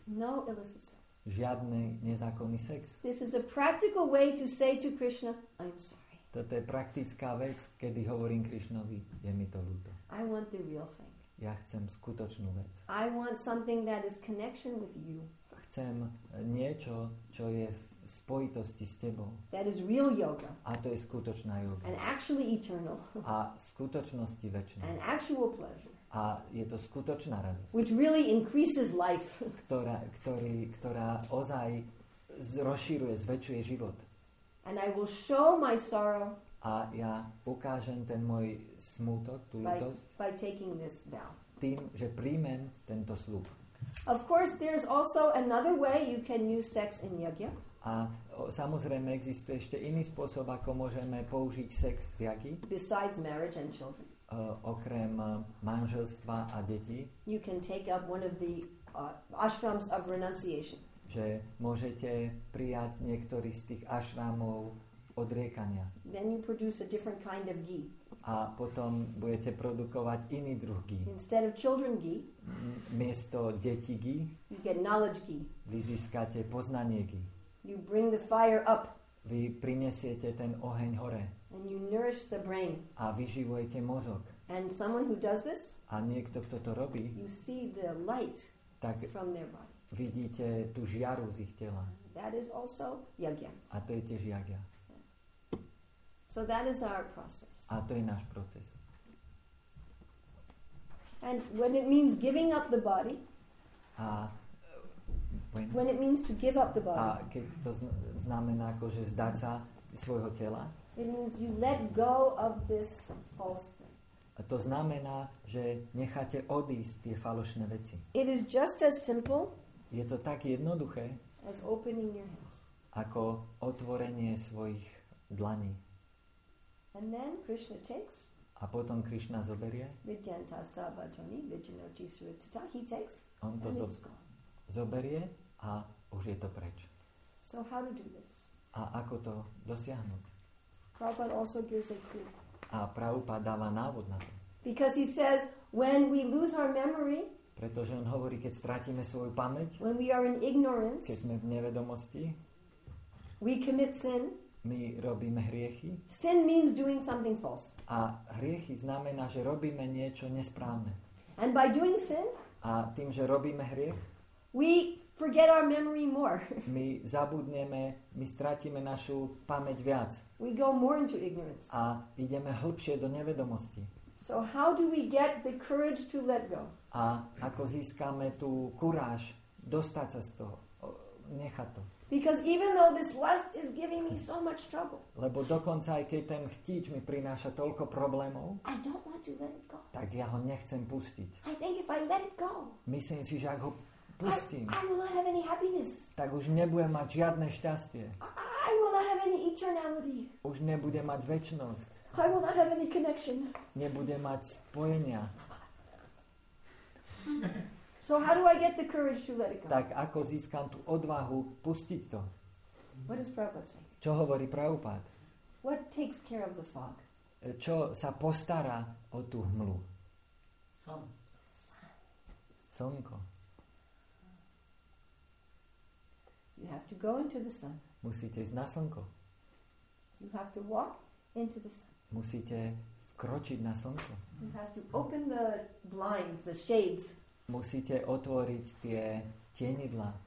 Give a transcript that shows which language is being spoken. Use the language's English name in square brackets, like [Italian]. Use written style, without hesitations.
[English] No illicit sex. [Slovak] Žiadny nezákonný sex. [English] This is a practical way to say to Krishna, I am sorry. [Slovak] Toto je praktická vec, kedy hovorím Krišnovi, je mi to ľúto. [English] I want the real thing. [Slovak] Ja chcem skutočnú vec. [English] I want something that is connection with you. [Slovak] Chcem niečo, čo je v spojitosti s tebou. [English] That is real yoga. [Slovak] A to je skutočná yoga. [English] And actually eternal. [Slovak] A skutočnosti večné. [English] And actual pleasure. [Slovak] A je to skutočná radosť. [English] Which really increases life. [Slovak] ktorá ozaj rozširuje, zväčšuje život. [English] And I will show my sorrow. [Slovak] A ja ukážem ten môj smútok, tú ľútosť. [English] By taking this vow. [Slovak] Tým, že príjmem tento sľub. [English] Of course, there's also another way you can use sex in yagya. [Slovak] A samozrejme existuje ešte iný spôsob, ako môžeme použiť sex v yagyi. [English] Besides marriage and children. [Slovak] Okrem manželstva a detí. [English] You can take up one of the ashrams of renunciation. [Slovak] Že môžete prijať niektorý z tých ashramov odriekania. [English] Then you produce a different kind of ghee. [Slovak] A potom budete produkovať iný druh ghee. [English] Instead of children ghee. [Slovak] Miesto detí ghee. [English] You get knowledge ghee. [Slovak] Vy získate poznanie ghee. [English] You bring the fire up. [Slovak] Vy prinesiete ten oheň hore. [English] And you nourish the brain. [Slovak] A vyživujete mozog. [English] And someone who does this. [Slovak] A niekto, kto to robí. [English] You see the light from their body. [Slovak] Vidíte tú žiaru z ich tela. [English] That is also yagya. [Slovak] A to je tiež yagya. [English] So that is our process. [Slovak] A to je náš proces. [English] And when it means giving up the body. [Slovak] A [English] when it means to give up the body. [Slovak] A keď to znamená, akože zdať sa svojho tela. [English] It means you let go of this false thing. [Slovak] A to znamená, že necháte odísť tie falošné veci. [English] It is just as simple. [Slovak] Je to tak jednoduché. [English] As opening your hands. [Slovak] Ako otvorenie svojich dlaní. [English] And then Krishna takes. [Slovak] A potom Krishna zoberie. Vidyanta stava joni vidyanoti suritita. [English] He takes. [Slovak] On to zoberie a už je to preč. [English] So how to do this? [Slovak] A ako to dosiahnuť? [English] Prabhupada also gives a clue. [Slovak] A Prabhupada dáva návod na to. [English] Because he says when we lose our memory. [Slovak] Pretože on hovorí, keď stratíme svoju pamäť. [English] When we are in ignorance. [Slovak] Keď sme v nevedomosti. [English] We commit sin. [Slovak] My robíme hriechy. [English] Sin means doing something false. [Slovak] A hriechy znamená, že robíme niečo nesprávne. [English] And by doing sin. [Slovak] A tým, že robíme hriech. [English] We forget our memory more. [Slovak] My zabudneme, my stratíme našu pamäť viac. [English] We go more into ignorance. [Slovak] A ideme hlbšie do nevedomosti. [English] So how do we get the courage to let go? [Slovak] A ako získame tú kuráž dostať sa z toho, nechať to? [English] Because even though this lust is giving me so much trouble. [Slovak] Lebo dokonca aj keď ten chtíč mi prináša toľko problémov. [English] I don't want to let it go. [Slovak] Tak ja ho nechcem pustiť. [English] I think if I let it go. [Slovak] Myslím si, že ak ho pustím. [English] I will not have any happiness. [Slovak] Tak už nebudem mať žiadne šťastie. [English] I will not have any eternality. [Slovak] Už nebudem mať večnosť. [English] I will not have any connection. [Slovak] Nebudem mať spojenia. [English] So how do I get the courage to let it go? [Slovak] Tak ako získam tú odvahu pustiť to? [English] What does Prabhupada say? [Slovak] Čo hovorí Prabhupada? [English] What takes care of the fog? [Slovak] Čo sa postará o tú hmlu? [English] Sun. [Slovak] Slnko. [English] You have to go into the sun. [Slovak] Musíte ísť na slnko. [English] You have to walk into the sun. [Slovak] Musíte vkročiť na slnko. [English] You have to open the blinds, the shades. [Slovak] Musíte otvoriť tie tienidla.